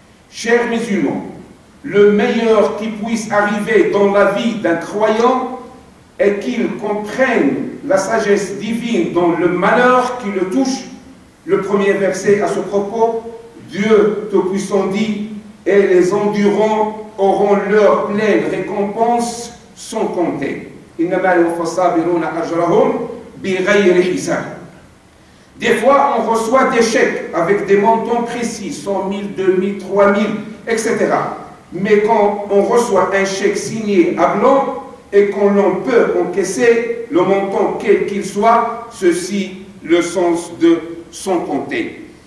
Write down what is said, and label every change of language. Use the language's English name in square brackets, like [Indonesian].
[French] Chers musulmans, le meilleur qui puisse arriver dans la vie d'un croyant est qu'il comprenne la sagesse divine dans le malheur qui le touche. Le premier verset à ce propos, Dieu Tout-Puissant dit, et les endurants auront leur pleine récompense sans compter. [Arabic] إنما المتصابرون أجرهم بغير حساب. [French] Des fois, on reçoit des chèques avec des montants précis, 100 000, 2 000, 3 000, etc. Mais quand on reçoit un chèque signé à blanc et qu'on l'on peut encaisser le montant quel qu'il soit, ceci le sens de sans compter.